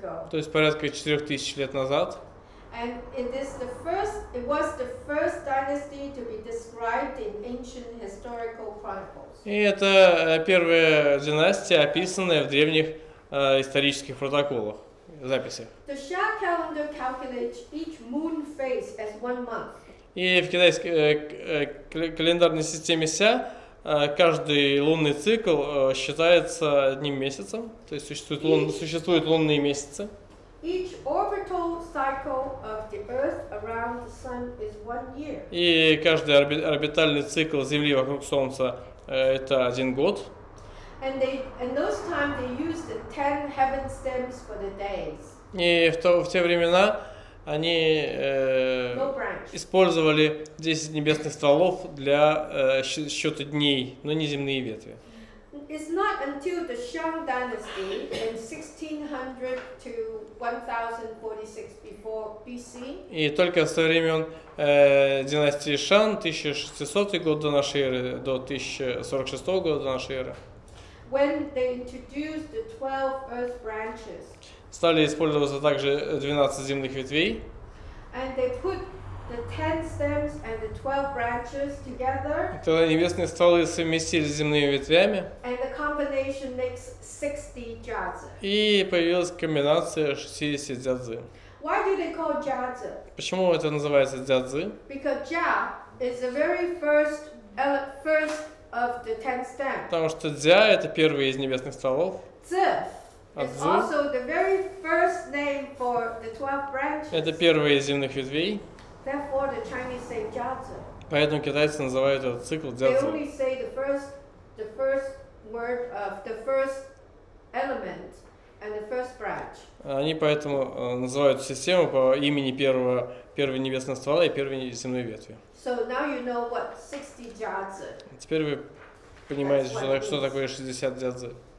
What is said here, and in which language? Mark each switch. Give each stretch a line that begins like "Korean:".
Russian: То есть порядка 4000 лет назад.
English: And it was the first dynasty to be described in ancient historical chronicles.
Russian: И это первая династия, описанная в древних исторических протоколах. записи.
English: The Xia calendar calculates each moon phase as one month.
Russian: И в китайской календарной системе Ся каждый лунный цикл считается одним месяцем, то есть существуют, существуют лунные месяцы.
English: Each orbital cycle of the Earth around the Sun is one year.
Russian: И каждый орбитальный цикл Земли вокруг Солнца это один год.
English: And they, in those times, they used the 10 heaven stems for the days.
Russian: И в те времена они использовали 10 небесных стволов для счета дней, но не земные ветви.
English: It's not until the Shang dynasty in 1600 to 1046 before BC.
Russian: И только со времен династии Шан, 1600 год до нашей эры, до 1046 года до нашей эры.
English: When they introduced the 12 earth branches.
Russian: Стали использоваться также 12 земных ветвей.
English: And they put the 10 stems and the 12 branches together.
Russian: Тогда небесные стволы совместились с земными ветвями.
English: And the combination makes 60 jiazi.
Russian: И появилась комбинация 60 дзядзи.
English: Why do they call jiazi?
Russian: Почему это называется дзядзи?
English: Because jia is the very first of the 10 stems.
Russian: Потому что дзя это первый из небесных стволов. Цзи.
English: It's also the very first name for the 12 branches.
Russian: Это первое из земных ветвей.
English: Therefore, the Chinese say jiazi.
Russian: Поэтому китайцы называют этот цикл дзядзи.
English: They only say the first word of the first element and the first branch.
Russian: Они поэтому называют систему по имени первого небесного ствола и первой земной ветви.
English: So now you know what 60 jiazi.
Russian: Теперь вы понимаете, что такое 60 дзядзи.